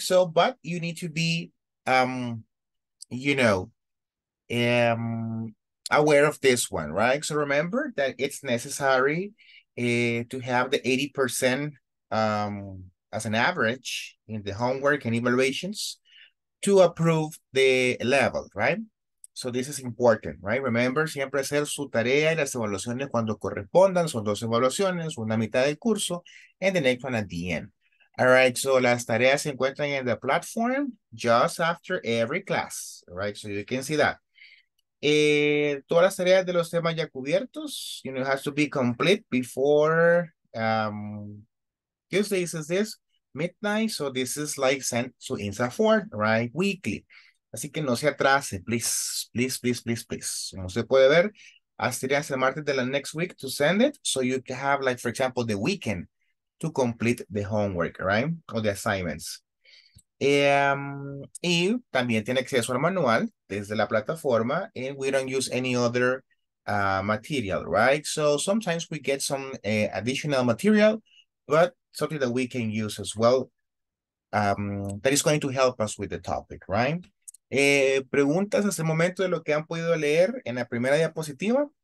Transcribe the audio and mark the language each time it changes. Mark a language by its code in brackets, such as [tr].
[en] So, but you need to be, aware of this one, right? So remember that it's necessary to have the 80% as an average in the homework and evaluations to approve the level, right? So this is important, right? [es] Remember, siempre hacer su tarea y las evaluaciones cuando correspondan. Son dos evaluaciones, una mitad del curso, [en] and the next one at the end. All right, so [es] las tareas se encuentran en [en] the platform just after every class, right? So you can see that. [es] todas las tareas de los temas ya cubiertos, [en] you know, it has to be complete before, Tuesday is this midnight, so this is like sent to Insta for, right, weekly. [es] Así que no se atrase, [en] please, please, please, please, please. [es] Como usted puede ver, hasta el martes de la [en] next week to send it, so you can have, like, for example, the weekend to complete the homework, right, or the assignments. [es] Y también tiene acceso al manual desde la plataforma, [en] and we don't use any other material, right? So sometimes we get some additional material, but something that we can use as well, that is going to help us with the topic, right? [es] Preguntas hasta el momento de lo que han podido leer en la primera diapositiva.